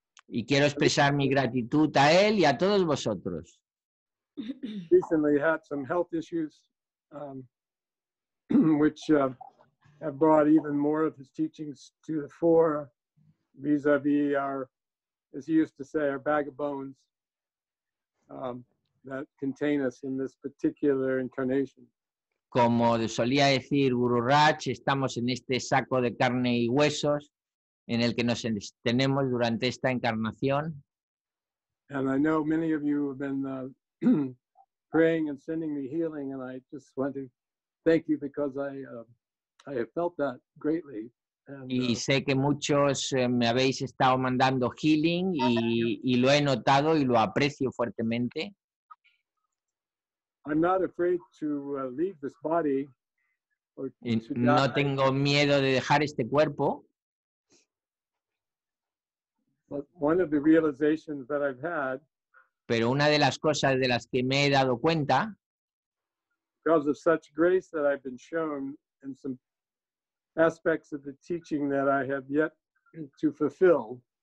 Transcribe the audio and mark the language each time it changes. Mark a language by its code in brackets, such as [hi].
[es] Y quiero expresar mi gratitud a él y a todos vosotros. [en] Recently had some health issues which have brought even more of his teachings to the fore, vis-a-vis our, as he used to say, our bag of bones. That contain us in this particular incarnation. [es] Como solía decir Guru Raj, estamos en este saco de carne y huesos en el que nos tenemos durante esta encarnación. [en] And I know many of you have been praying and sending me healing, and I just want to thank you because I have felt that greatly. And, [es] y sé que muchos me habéis estado mandando healing y lo he notado y lo aprecio fuertemente. [en] I'm not afraid to leave this body. Or to [es] no tengo miedo de dejar este cuerpo. [en] But one of the realizations that I've had. [es] Pero una de las cosas de las que me he dado cuenta. [en] Because of such grace that I've been shown in some aspects of the teaching that I have yet to fulfill.